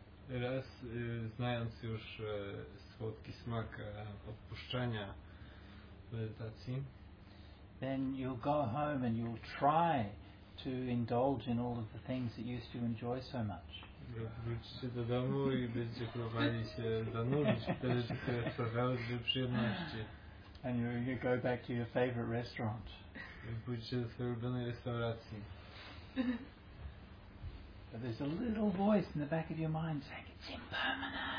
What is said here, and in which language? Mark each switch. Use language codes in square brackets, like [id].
[pl] raz znając już słodki smak odpuszczania medytacji, [en] then you'll go home and you'll try to indulge in all of the things that you used to enjoy so much. [pl] Wrócicie do domu i będziecie próbowali się zanurzyć w te rzeczy, które sprawiały dla przyjemności. [en] And you go back to your favorite restaurant. [pl] I pójdziecie do swojej ulubionej restauracji. [en] But there's a little voice in the back of your mind saying, it's impermanent.